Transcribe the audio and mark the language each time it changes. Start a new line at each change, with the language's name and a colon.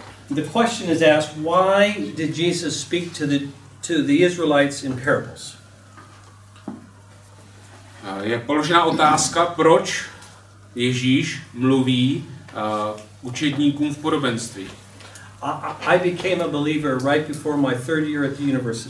English: The question is asked, why did Jesus speak to the Israelites in parables?
Czech: Je položená otázka, proč Ježíš mluví učedníkům v podobenství.
English: I became a believer right before my third year at the university.